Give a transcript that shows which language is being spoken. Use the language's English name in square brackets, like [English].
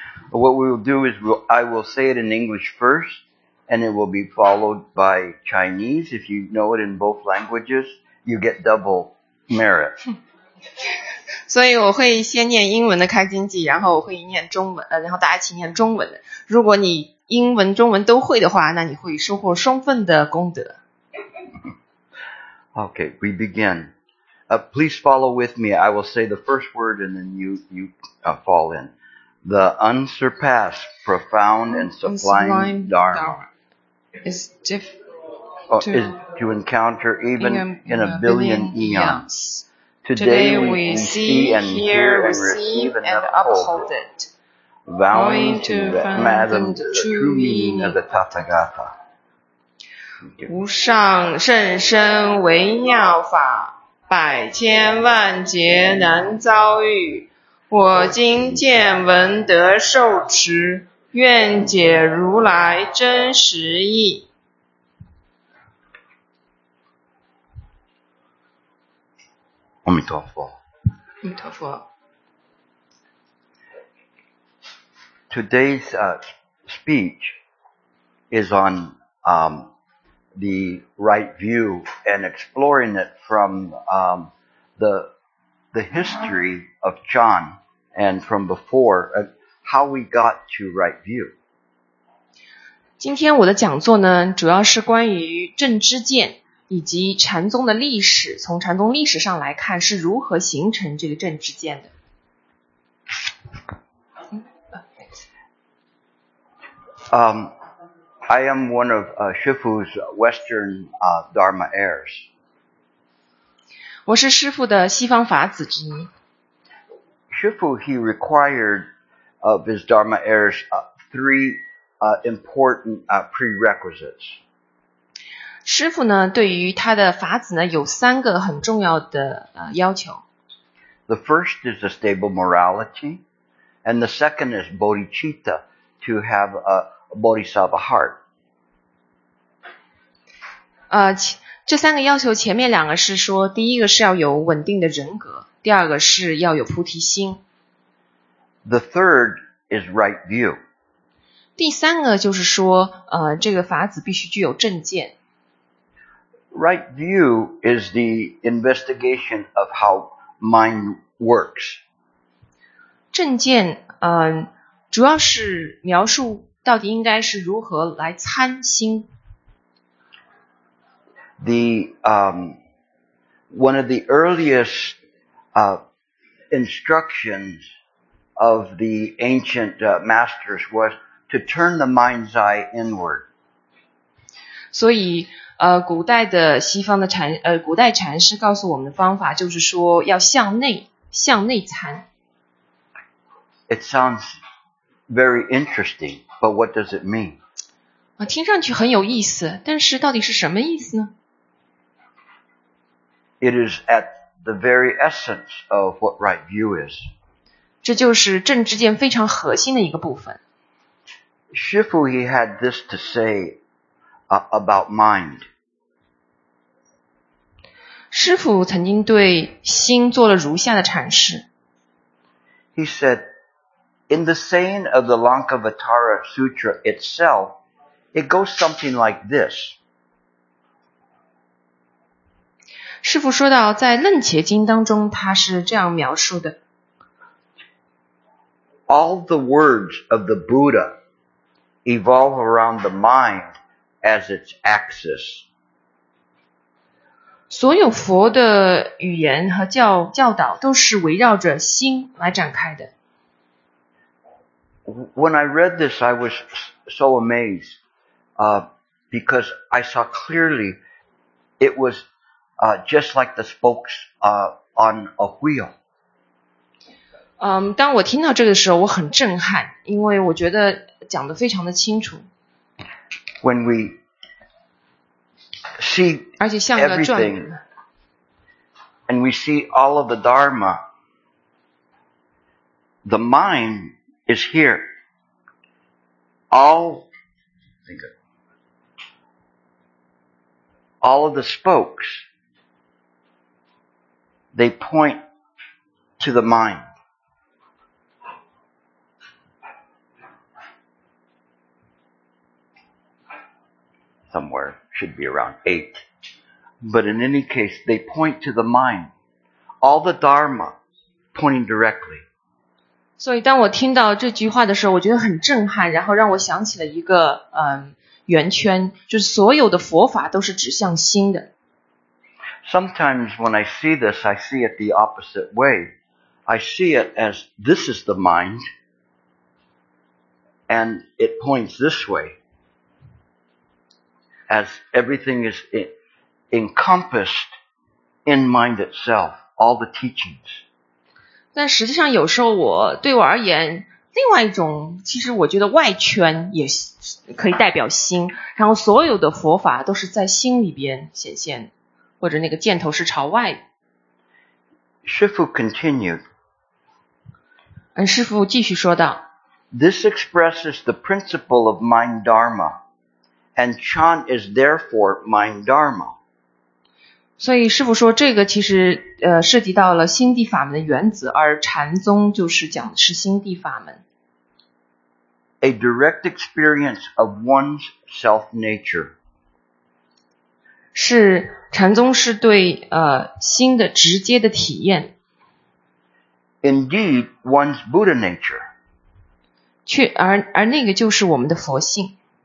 [English] What we will do is I will say it in English first, and it will be followed by Chinese. If you know it in both languages, you get double merit. [Chinese] 所以我会先念英文的开经偈，然后我会念中文，然后大家请念中文的。如果你英文、中文都会的话，那你会收获双份的功德。 [English] Okay, we begin. Please follow with me. I will say the first word and then you fall in. The unsurpassed, profound, and sublime Dharma. Is difficult to encounter even in a billion eons. Today we see and hear and receive and uphold it. Vowing to fathom the true meaning of the Tathagata. [Chinese] 无上甚深微妙法，百千万劫难遭遇。我今见闻得受持，愿解如来真实义。阿弥陀佛。阿弥陀佛。 [English] Today's speech is on the right view and exploring it from the history of John and from before how we got to right view. [Chinese] 今天我的讲座呢主要是关于正知见以及禅宗的历史，从禅宗历史上来看是如何形成这个正知见的。 [English] I am one of Shifu's Western Dharma heirs. [Chinese] 我是师父的西方法子之一。 [English] Shifu, he required of his Dharma heirs three important prerequisites. [Chinese] 师父呢，对于他的法子呢，有三个很重要的要求。 [English] The first is a stable morality, and the second is bodhicitta, to have a bodhisattva heart. [Chinese] 这三个要求前面两个是说，第一个是要有稳定的人格，第二个是要有菩提心。 [English] The third is right view. [Chinese] 第三个就是说，这个法子必须具有正见。 [English] Right view is the investigation of how mind works. [Chinese] 正见，主要是描述到底应该是如何来参心。 [English] The one of the earliest instructions of the ancient masters was to turn the mind's eye inward. [Chinese] 所以古代的西方的禅古代禅师告诉我们的方法就是说要向内禅。 [English] It sounds very interesting, but what does it mean? [Chinese] 听上去很有意思，但是到底是什么意思呢？ [English] It is at the very essence of what right view is. [Chinese] 这就是正知见非常核心的一个部分。 [English] Shifu, he had this to say about mind. [Chinese] 师父曾经对心做了如下的阐释。 [English] He said, in the saying of the Lankavatara Sutra itself, it goes something like this. [Chinese] 师父说到在楞伽经当中他是这样描述的。 [English] All the words of the Buddha evolve around the mind as its axis. [Chinese] 所有佛的语言和教导都是围绕着心来展开的。 [English] When I read this, I was so amazed. because I saw clearly it was just like the spokes on a wheel. [Chinese] 当我听到这个时候，我很震撼，因为我觉得讲得非常的清楚。 [English] When we see everything, and we see all of the Dharma, the mind is here. All of the spokes, they point to the mind. Somewhere should be around 8. But in any case, they point to the mind. All the Dharma pointing directly. [Chinese] 所以当我听到这句话的时候，我觉得很震撼，然后让我想起了一个圆圈，就是所有的佛法都是指向心的。 [English] Sometimes when I see this, I see it the opposite way. I see it as this is the mind, and it points this way. As everything is encompassed in mind itself, all the teachings. [Chinese] 但实际上，有时候我对我而言，另外一种，其实我觉得外圈也可以代表心，然后所有的佛法都是在心里边显现，或者那个箭头是朝外。 [English] 师父 continued. [Chinese] 师父继续说道。 [English] This expresses the principle of mind dharma. And Chan is therefore mind dharma. [Chinese] 所以师父说这个其实涉及到了心地法门的原则，而禅宗就是讲的是心地法门。 [English] A direct experience of one's self nature. [Chinese] 是禅宗是对心的直接的体验。 [English] Indeed, one's Buddha nature. [Chinese] 而那个就是我们的佛性。